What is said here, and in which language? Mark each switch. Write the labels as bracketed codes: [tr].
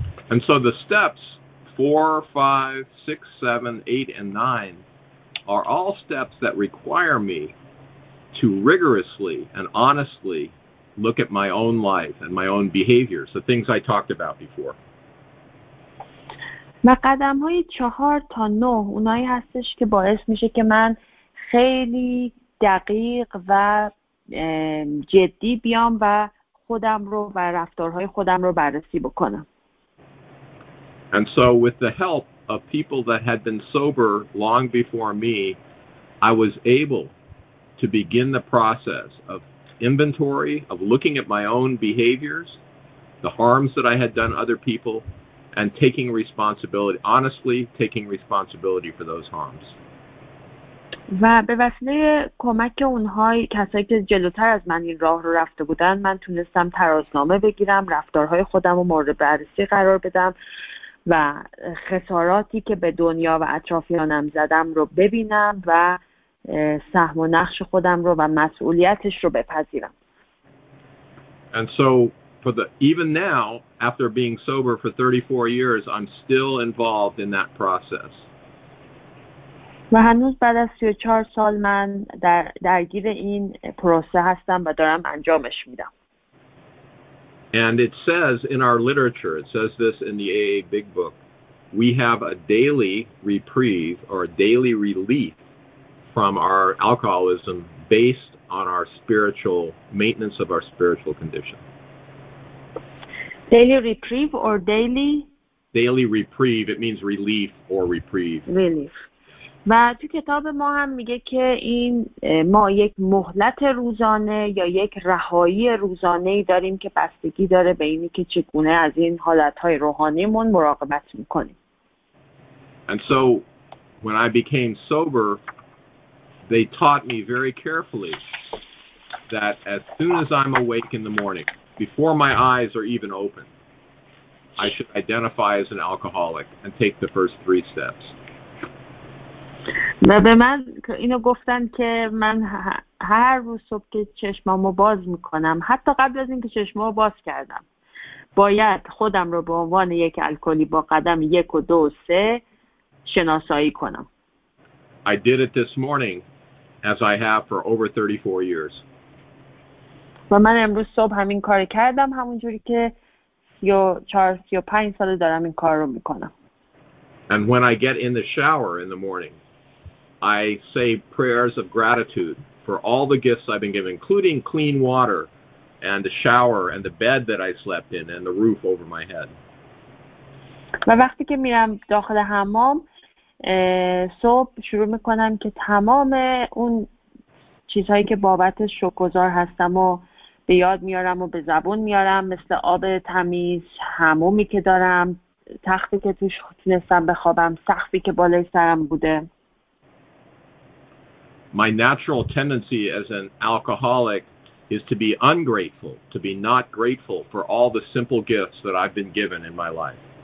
[en] And so the steps 4, 5, 6, 7, 8 and 9 are all steps that require me to rigorously and honestly look at my own life and my own behaviors, the things I talked about before. [fa] و قدم های 4 تا 9 اونایی هستش که باعث میشه که من خیلی دقیق و جدی بیام و خودم رو و رفتارهای خودم رو بررسی بکنم. [en] And so with the help of people that had been sober long before me, I was able to begin the process of inventory, of looking at my own behaviors, the harms that I had done other people, and taking responsibility, honestly taking responsibility for those harms. [fa] و به وسیله کمک اونهای کسایی که جلوتر از من این راه رو رفته بودن، من تونستم ترازنامه بگیرم، رفتارهای خودم رو مورد بررسی قرار بدم و خساراتی که به دنیا و اطرافیانم زدم رو ببینم و سهم و نقش خودم رو و مسئولیتش رو بپذیرم. [en] And so even now, after being sober for 34 years, I'm still involved in that process. [fa] و هنوز بعد از 34 سال من درگیر این پروسه هستم و دارم انجامش میدم. [en] And it says in our literature, it says this in the AA Big Book, we have a daily reprieve or a daily relief from our alcoholism based on our spiritual maintenance of our spiritual condition. Daily reprieve or daily? Daily reprieve. It means relief or reprieve. Relief. [fa] و تو کتاب ما هم میگه که این ما یک مهلت روزانه یا یک رهایی روزانه ای داریم که بستگی داره به اینی که چگونه از این حالتهای روحانیمون مراقبت میکنیم. [en] And so when I became sober, they taught me very carefully that as soon as I'm awake in the morning, before my eyes are even open, I should identify as an alcoholic and take the first three steps. [fa] و به من اینو گفتن که من هر روز صبح که چشمامو باز میکنم حتی قبل از اینکه چشمامو باز کردم باید خودم رو به عنوان یک الکلی با قدم یک و دو و سه شناسایی کنم. [en] I did it this morning as I have for over 34 years. [fa] و من امروز صبح همین کار کردم همون جوری که یا 4-5 ساله دارم این کار رو میکنم. [en] And when I get in the shower in the morning, I say prayers of gratitude for all the gifts I've been given, including clean water and the shower and the bed that I slept in and the roof over my head. [fa] و وقتی که میرم داخل حمام صبح شروع میکنم که تمام اون چیزهایی که بابت شکرگزار هستم و به یاد میارم و به زبون میارم مثل آب تمیز، حمامی که دارم، تختی که توش تونستم بخوابم، سقفی که بالای سرم بوده. [en] My natural tendency as an alcoholic is to be ungrateful, to be not grateful for all the simple gifts that I've been given in my life.